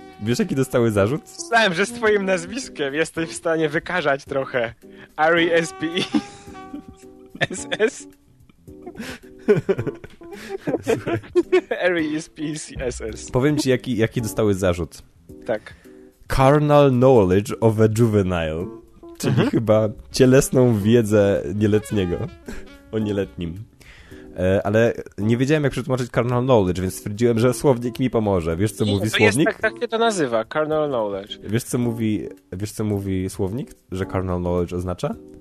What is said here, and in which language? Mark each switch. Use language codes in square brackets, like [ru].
[pl] Wiesz, jaki dostały zarzut? Słyszałem, że z twoim nazwiskiem jesteś w stanie wykarzać trochę. R-E-S-P-E-S-S? R-E-S-P-E-S-S. Powiem ci, jaki dostały zarzut. Tak. [en] Carnal knowledge of a juvenile. [pl] Czyli chyba cielesną wiedzę nieletniego. O nieletnim. Ale nie wiedziałem, jak przetłumaczyć carnal knowledge, więc stwierdziłem, że słownik mi pomoże. Wiesz, co mówi słownik? Jest, tak się to nazywa, carnal knowledge. Wiesz, co mówi słownik, że carnal knowledge oznacza?